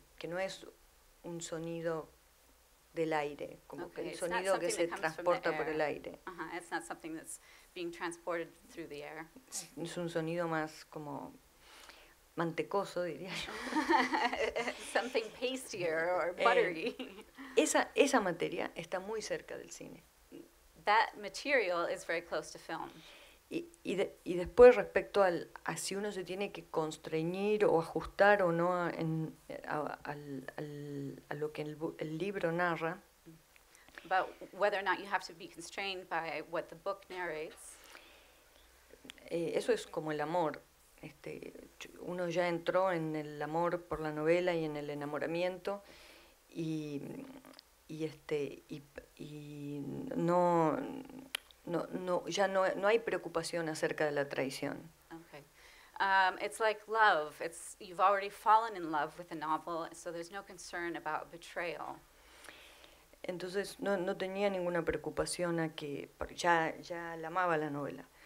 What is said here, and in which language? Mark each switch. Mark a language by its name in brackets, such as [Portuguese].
[Spanish] Que no es un sonido del aire, como okay. Que el sonido que se transporta por el aire. Uh-huh. [English] It's not something that's being transported through the air. [Spanish] Es un sonido más como mantecoso, diría yo. [English] Something pastier or buttery. [Spanish] Esa materia está muy cerca del cine. [English] That material is very close to film. [Spanish] Y después respecto a si uno se tiene que constreñir o ajustar o no a lo que el libro narra. [English] About whether or not you have to be constrained by what the book narrates. [Spanish] Eso es como el amor. Uno ya entró en el amor por la novela y en el enamoramiento y ya no hay preocupación acerca de la traición. [English] Okay. It's like love. You've already fallen in love with the novel, so there's no concern about betrayal. [Spanish] Entonces no tenía ninguna preocupación a que porque ya la amaba la novela.